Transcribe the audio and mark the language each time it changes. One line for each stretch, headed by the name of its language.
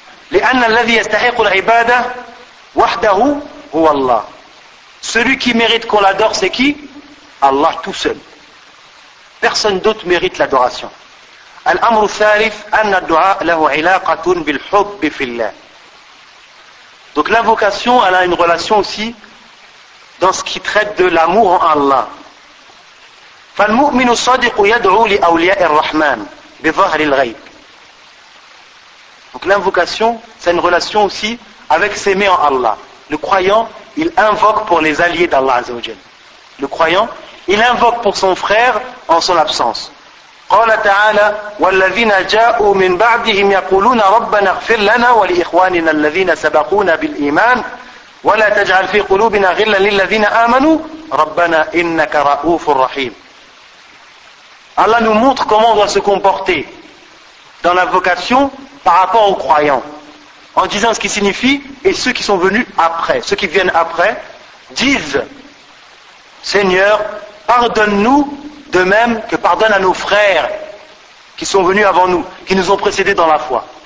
Arabic: لأن الذي يستحق العبادة وحده هو الله.
French: Celui qui mérite qu'on l'adore, c'est qui? Allah tout seul. Personne d'autre mérite l'adoration.
Arabic: الأمر الثالث أن الدعاء له علاقة بالحب في الله.
French: Donc l'invocation elle a une relation aussi dans ce qui traite de l'amour en Allah.
Arabic: فالمؤمن الصادق يدعو لأولياء الرحمن بظهر الغيب.
French: Donc l'invocation c'est une relation aussi avec ses mains en Allah. Le croyant il invoque pour les alliés d'Allah Azza wa Jalla. Le croyant il invoque pour son frère en son absence.
Arabic: قال تعالى والذين جاءوا من بعدهم يقولون ربنا اغفر لنا ولإخواننا الذين سبقونا بالإيمان ولا تجعل في قلوبنا غلا للذين آمنوا ربنا إنك رؤوف رحيم.
French: Allah nous montre comment on doit se comporter dans l'invocation par rapport aux croyants en disant ce qui signifie et ceux qui sont venus après, ceux qui viennent après disent Seigneur pardonne-nous de même que pardonne à nos frères qui sont venus avant nous, qui nous ont précédés dans la foi.